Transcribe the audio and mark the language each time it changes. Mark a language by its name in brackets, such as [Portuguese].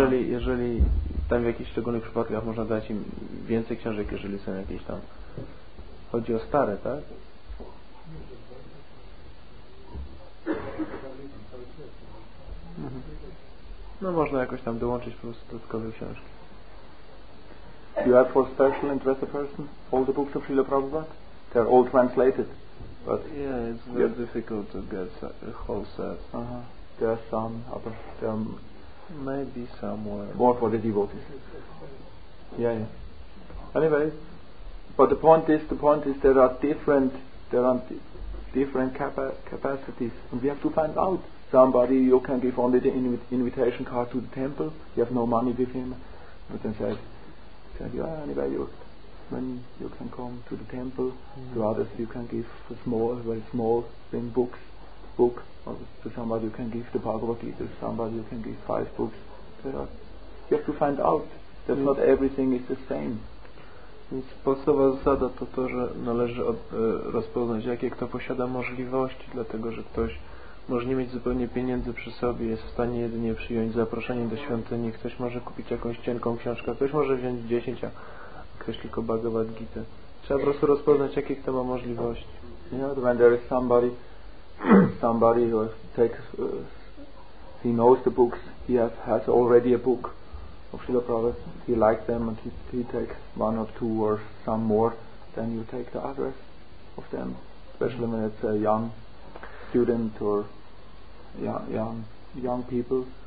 [Polish] Jeżeli tam w jakichś szczególnych przypadkach można dać im więcej książek, jeżeli są jakieś tam. Chodzi o stare, tak? No można jakoś tam dołączyć po prostu dodatkowe książki. [English] You have for special interest a person? All the books of Srila Prabhupada? They're all translated. But yeah, it's very difficult to get a whole set. There are some other, maybe somewhere. More for the devotees. Yeah. Anyways, but the point is, there are different capacities, and we have to find out. Somebody, you can give only the invitation card to the temple. You have no money with him. But then said, when you can come to the temple, to others you can give a small, very small thin book, or to somebody you can give the Bhagavad Gita, to somebody you can give 5 books. You have to find out that not everything is the same. [Polish] Więc podstawowa zasada to, że należy rozpoznać, jakie kto posiada możliwości, dlatego że ktoś może nie mieć zupełnie pieniędzy przy sobie, jest w stanie jedynie przyjąć zaproszenie do świątyni, ktoś może kupić jakąś cienką książkę, ktoś może wziąć 10, a ktoś tylko Bhagavad Gita. Trzeba po prostu rozpoznać, jakie kto ma możliwości. [English] When there is somebody who takes, he knows the books, he has already a book of Srila Prabhupada, he likes them and he takes one or two or some more, then you take the others of them, especially when it's a young student or young people,